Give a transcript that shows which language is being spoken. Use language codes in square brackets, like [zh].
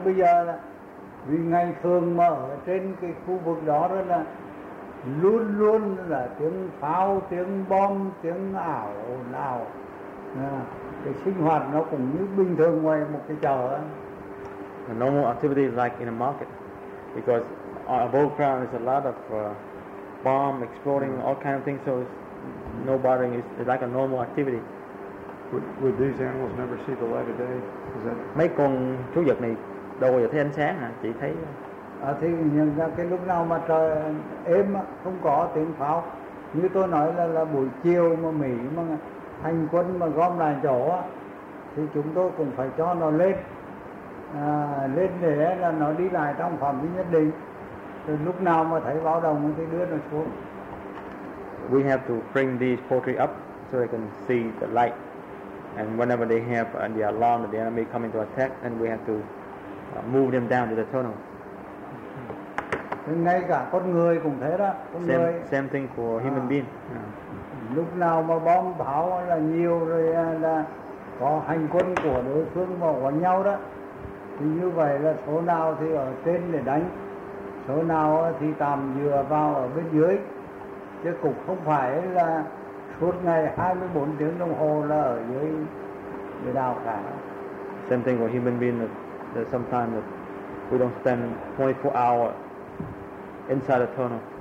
[vi] Bây giờ vì ngày thường mà ở trên cái khu vực đó đó là luôn luôn là tiếng pháo, tiếng bom, tiếng ảo nào. Cái sinh hoạt nó cũng như bình thường ngoài một cái chợ. [en] A normal activity is like in a market, because above ground is a lot of bomb exploding, all kind of things, so it's no bothering, it's like a normal activity. Would these animals never see the light of day? Is that... [vi] Mấy con thú vật này đâu bao giờ thấy ánh sáng hả? Chỉ thấy... Thì nhìn ra cái lúc nào mà trời êm không có tiếng pháo. Như tôi nói là buổi chiều mà Mỹ mà hành quân mà gom lại chỗ thì chúng tôi cũng phải cho nó lên. Lên để là nó đi lại trong phạm vi nhất định. Rồi lúc nào mà thấy báo động thì đưa nó xuống. [en] We have to bring these poultry up so they can see the light. And whenever they have the alarm that the enemy coming to attack, then we have to move them down to the tunnel. [vi] Ngay cả con người cũng thế đó, con [en] same, [vi] người. [en] Same thing for human being. [vi] Lúc nào mà bom pháo là nhiều rồi là có hành quân của đối phương mà quấn nhau đó, thì như vậy là số nào thì ở trên để đánh, số nào thì tạm dựa vào ở bên dưới, chứ cũng không phải là suốt ngày 24 tiếng đồng hồ là ở dưới để đào cả. [en] Same thing for human being, that sometimes that we don't spend 24 hours inside the tunnel.